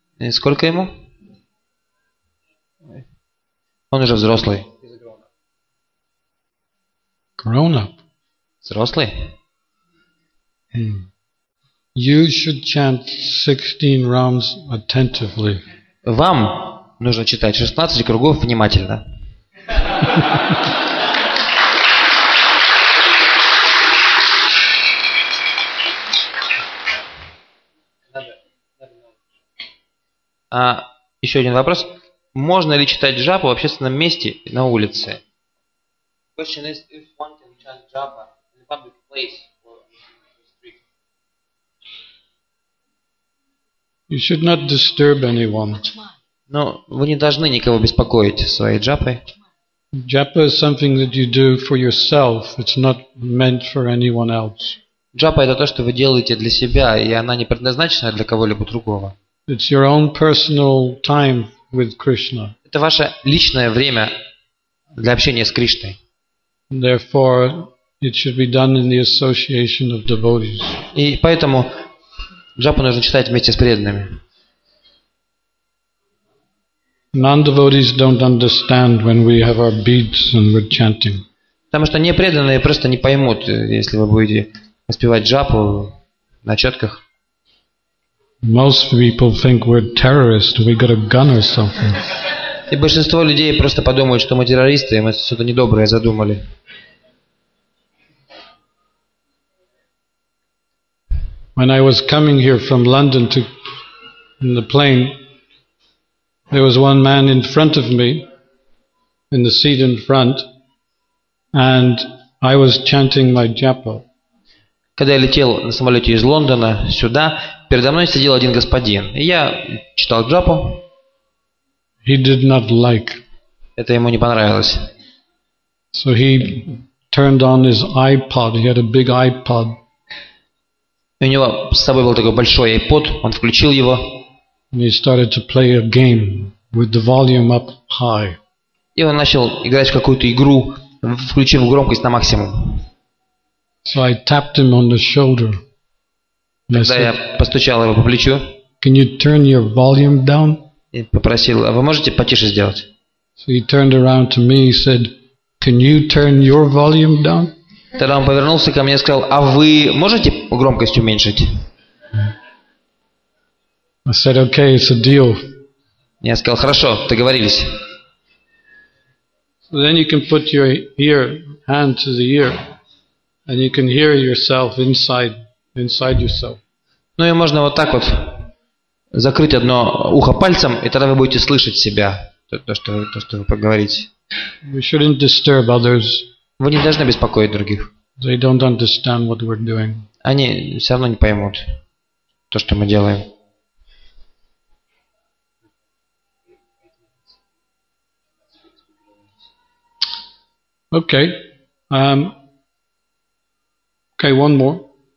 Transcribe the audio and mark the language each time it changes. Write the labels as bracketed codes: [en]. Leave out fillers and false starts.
[ru] И сколько ему? Он уже взрослый. [en] Grown up. [ru] Взрослый. [en] You should chant 16 rounds attentively. [ru] Вам нужно читать 16 кругов внимательно. А еще один вопрос. Можно ли читать джапу в общественном месте на улице? [en] Question is, if one can chant japa in a public place or in the street. You should not disturb anyone. [ru] Но вы не должны никого беспокоить своей джапой. [en] Japa is something that you do for yourself. It's not meant for anyone else. [ru] Джапа — это то, что вы делаете для себя, и она не предназначена для кого-либо другого. [en] It's your own personal time with Krishna. [ru] Это ваше личное время для общения с Кришной. [en] Therefore, it should be done in the association of devotees. [ru] И поэтому джапу нужно читать вместе с преданными. [en] Non-devotees don't understand when we have our beads and we're chanting. [ru] Потому что непреданные просто не поймут, если вы будете воспевать джапу на четках. [en] Most people think we're terrorists. We got a gun or something. [ru] И большинство людей просто подумают, что мы террористы, и мы что-то недоброе задумали. [en] When I was coming here from London to in the plane, there was one man in front of me, in the seat in front, and I was chanting my japa. [ru] Когда я летел на самолете из Лондона сюда, передо мной сидел один господин, и я читал джапу. [en] He did not like. [ru] Это ему не понравилось. [en] So he turned on his iPod. He had a big iPod. [ru] У него с собой был такой большой iPod. Он включил его. [en] And he started to play a game with the volume up high. [ru] И он начал играть в какую-то игру, включив громкость на максимум. [en] So I tapped him on the shoulder. [ru] Тогда я постучал его по плечу. [en] Can you turn your volume down? [ru] И попросил: а вы можете потише сделать? [en] So he turned around to me and said, can you turn your volume down? [ru] Тогда он повернулся ко мне и сказал: а вы можете громкость уменьшить? [en] I said, okay, it's a deal. [ru] Я сказал: хорошо, договорились. [en] So then you can put your ear, hand to the ear. And you can hear yourself inside yourself. [ru] Ну и можно вот так вот закрыть одно ухо пальцем, и тогда вы будете слышать себя, то, что вы поговорите. [en] We shouldn't disturb others. [ru] Вы не должны беспокоить других. [en] They don't understand what we're doing. [ru] Они все равно не поймут то, что мы делаем. [en] Okay. Okay, one more.